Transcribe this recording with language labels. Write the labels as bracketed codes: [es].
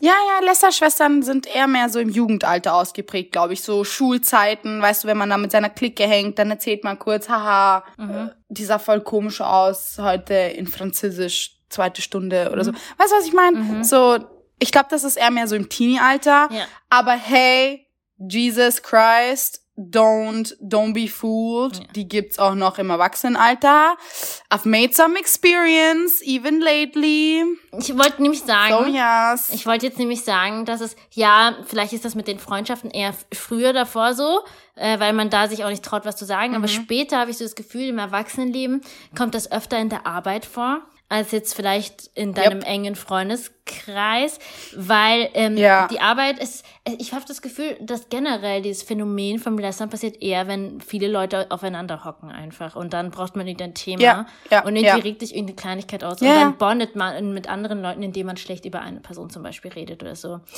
[de] Ja, ja, Lästerschwestern sind eher mehr so im Jugendalter ausgeprägt, glaube ich. So Schulzeiten, weißt du, wenn man da mit seiner Clique hängt, dann erzählt man kurz, haha, die sah voll komisch aus heute in Französisch, zweite Stunde oder so. Weißt du, was ich meine? So, ich glaube, das ist eher mehr so im Teenie-Alter. Ja. [en] Aber hey, Jesus Christ... Don't be fooled. Ja. [de] Die gibt's auch noch im Erwachsenenalter. [en] I've made some experience, even lately. [de] Ich wollte nämlich sagen. [en] So, yes. [de] Ich wollte jetzt nämlich sagen, dass es, ja, vielleicht ist das mit den Freundschaften eher früher davor so, weil man da sich auch nicht traut, was zu sagen. Aber später habe ich so das Gefühl, im Erwachsenenleben kommt das öfter in der Arbeit vor, als jetzt vielleicht in deinem engen Freundeskreis, weil die Arbeit ist, ich habe das Gefühl, dass generell dieses Phänomen vom Lästern passiert eher, wenn viele Leute aufeinander hocken einfach und dann braucht man irgendein Thema und irgendwie regt sich irgendeine Kleinigkeit aus und dann bondet man mit anderen Leuten, indem man schlecht über eine Person zum Beispiel redet oder so.